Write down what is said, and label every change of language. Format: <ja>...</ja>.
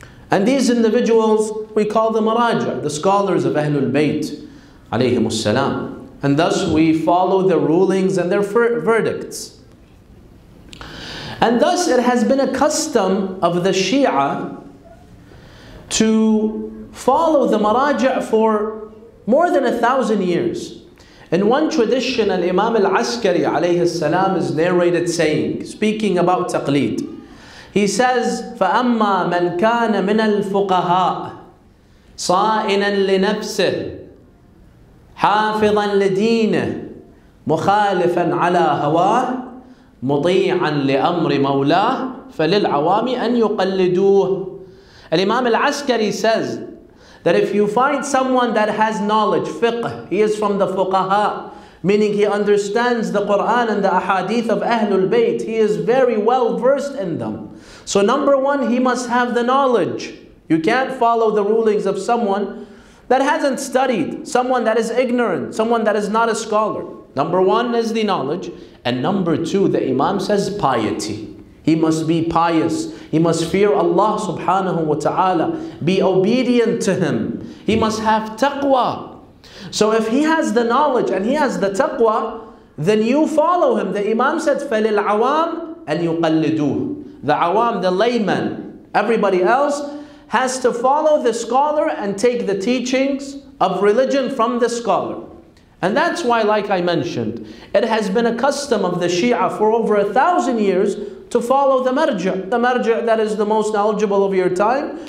<en>And these individuals, we call the maraja, the scholars of Ahlul Bayt alayhim as-salam. And thus we follow their rulings and their verdicts. And thus it has been a custom of the Shia to follow the maraja for more than 1,000 years. In one tradition, Al-Imam Al-Askari alayhi salam is narrated saying, speaking about taqleed, he says,</en> <ar>فَأَمَّا مَنْ كَانَ مِنَ الْفُقَهَاءِ صَائِنًا لِنَفْسِهِ حَافِظًا لِدِينِهِ مُخَالِفًا عَلَى هَوَاهِ مُطِيعًا لِأَمْرِ مَوْلَاهِ فَلِلْعَوَامِ أَنْ يُقَلِّدُوهِ.</ar> <en>Al-Imam Al-Askari says that if you find someone that has knowledge, fiqh, he is from the fuqaha, meaning he understands the Quran and the ahadith of Ahlul Bayt, he is very well versed in them. So number one, he must have the knowledge. You can't follow the rulings of someone that hasn't studied, someone that is ignorant, someone that is not a scholar. Number one is the knowledge. And number two, the Imam says piety. He must be pious. He must fear Allah subhanahu wa ta'ala. Be obedient to him. He must have taqwa. So if he has the knowledge and he has the taqwa, then you follow him. The Imam said,</en> <ar>فَلِلْ عَوَامِ أَنْ يُقَلِّدُوهُ.</ar> <en>The awam, the layman, everybody else, has to follow the scholar and take the teachings of religion from the scholar. And that's why, like I mentioned, it has been a custom of the Shia for over 1,000 years to follow the marja that is the most knowledgeable of your time.</en>